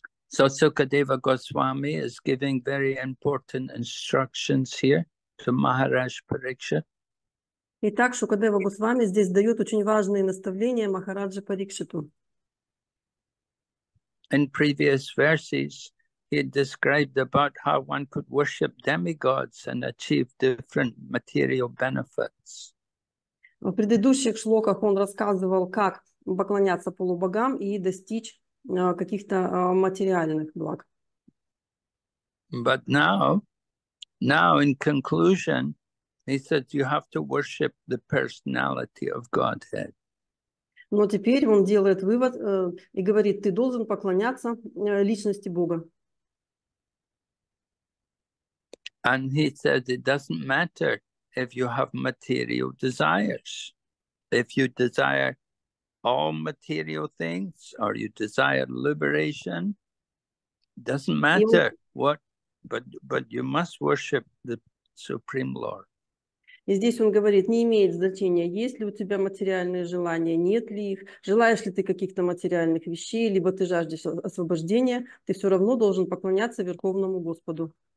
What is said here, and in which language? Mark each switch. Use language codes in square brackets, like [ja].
[en] So Sukadeva Goswami is giving very important instructions here to Maharaj Parikshit. [ru] Итак, Шукадева Госвами здесь дает очень важные наставления Махараджа Парикшиту. [en] In previous verses, he described about how one could worship demigods and achieve different material benefits. [ru] В предыдущих шлоках он рассказывал, как поклоняться полубогам и достичь каких-то материальных благ. [en] But now in conclusion, he said you have to worship the personality of Godhead. [ru] Но теперь он делает вывод и говорит, ты должен поклоняться личности Бога. [en] And he said it doesn't matter if you have material desires. If you desire all material things or you desire liberation, doesn't matter what, but you must worship the Supreme Lord. [ru] И здесь он говорит, не имеет значения, есть ли у тебя материальные желания, нет ли их, желаешь ли ты каких-то материальных вещей, либо ты жаждешь освобождения, ты все равно должен поклоняться Верховному Господу.